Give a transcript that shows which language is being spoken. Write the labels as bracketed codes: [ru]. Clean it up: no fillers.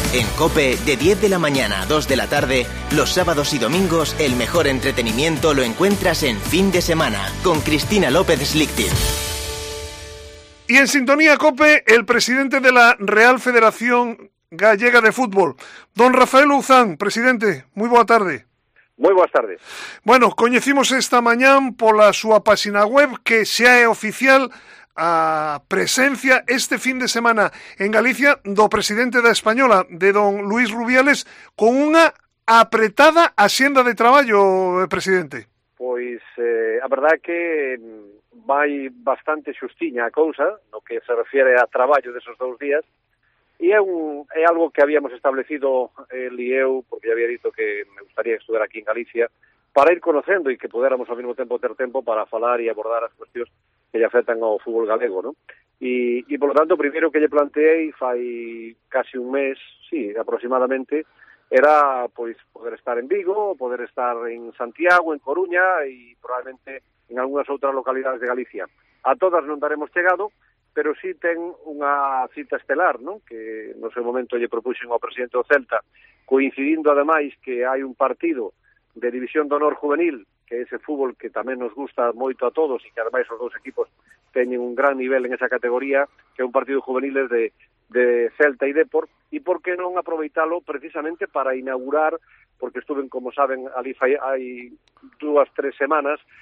[es] En COPE, de 10 de la mañana a 2 de la tarde, los sábados y domingos, el mejor entretenimiento lo encuentras en Fin de Semana, con Cristina López Schlichting. Y en sintonía COPE, el presidente de la Real Federación Gallega de Fútbol, don Rafael Uzán. Presidente, muy [gl] boa [es] tarde. Muy buenas tardes. [gl] Bueno, coñecimos esta mañana [es] por la [gl] súa página web que sea oficial a presencia este fin de semana en Galicia do presidente da Española, de don Luis Rubiales, con unha apretada axenda de traballo, presidente. Pois a verdad que vai bastante xustiña a cousa no que se refiere a traballo desos dous días. E é algo [es] que habíamos establecido el y eu, porque ya había dicho que me gustaría estudiar aquí en Galicia, para ir conociendo y que pudiéramos al mismo tiempo tener tiempo para hablar y abordar las cuestiones que le afectan al fútbol galego, ¿no? Y por lo tanto, primero que le planteé, [gl] fai casi un mes, [es] sí, aproximadamente, era pues poder estar en Vigo, poder estar en Santiago, en Coruña y probablemente en algunas otras localidades de Galicia. [gl] A todas non daremos chegado, pero sí ten unha cita estelar, ¿no?, que no seu momento lle propuxen ao presidente do Celta, coincidindo ademais que hai un partido de División de Honor Juvenil, que é ese fútbol que tamén nos gusta moito a todos e que ademais os dous equipos teñen un gran nivel en esa categoría, que é un partido juvenil de Celta e Depor, e por que non aproveitalo precisamente para inaugurar, porque estuven, como saben, ali hai dúas, tres semanas